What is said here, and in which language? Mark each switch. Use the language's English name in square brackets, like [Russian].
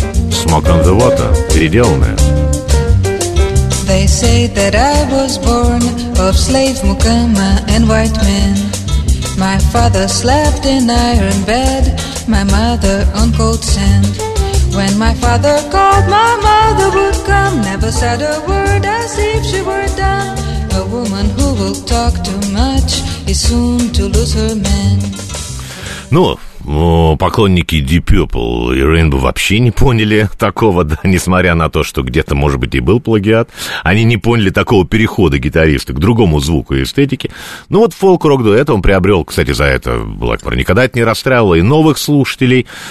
[Russian] «Smoke on the Water» переделанная. [English] They say that I was born of slave Mukama and white men. My father slept in iron bed, my mother on cold sand. When my father called, my mother would come. Never said a word as if she were dumb. A woman who will talk too much is soon to lose her man. [Russian] Ну, поклонники Deep Purple и Rainbow вообще не поняли такого, да, несмотря на то, что где-то, может быть, и был плагиат. Они не поняли такого перехода гитариста к другому звуку и эстетике. Ну вот фолк-рок дуэт он приобрел, кстати, за это Blackmore никогда это не расстраивало, и новых слушателей.